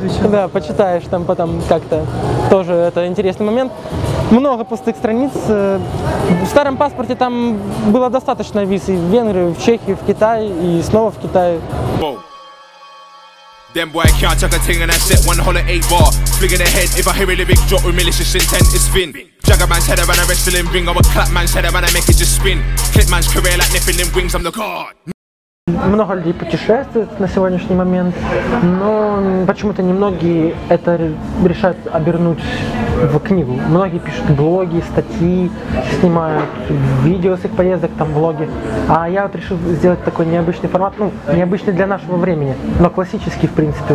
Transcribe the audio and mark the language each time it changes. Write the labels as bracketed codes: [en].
[ru] Да, почитаешь там потом как-то, тоже это интересный момент. Много пустых страниц. В старом паспорте там было достаточно виз и в Венгрию, в Чехию, в Китай и снова в Китай. [en] Them boy can't chuck a ting and I set 108 bar. Flinging ahead, if I hear a lyric drop with malicious intent, it's fin. Jagger man's head around a wrestling ring, I'm a clap man's head around a make it just spin. Clip man's career like Nephilim wings, I'm the god. [ru] Много людей путешествует на сегодняшний момент, но почему-то немногие это решают обернуть в книгу. Многие пишут блоги, статьи, снимают видео с их поездок, там влоги. А я вот решил сделать такой необычный формат, ну, необычный для нашего времени, но классический, в принципе.